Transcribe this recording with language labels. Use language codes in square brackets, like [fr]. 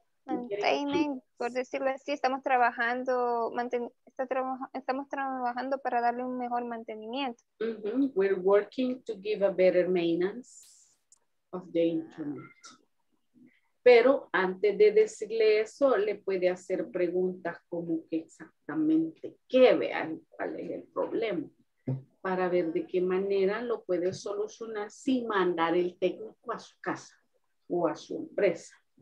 [en] Maintaining, [es] por decirlo así, estamos trabajando, estamos trabajando para darle un mejor mantenimiento. Mm-hmm. [en] We're working to give a better maintenance of the internet. [es] Pero antes de decirle eso, le puede hacer preguntas como que exactamente qué vea, cuál es el problema, para ver de qué manera lo puede solucionar sin mandar el técnico a su casa o a su empresa.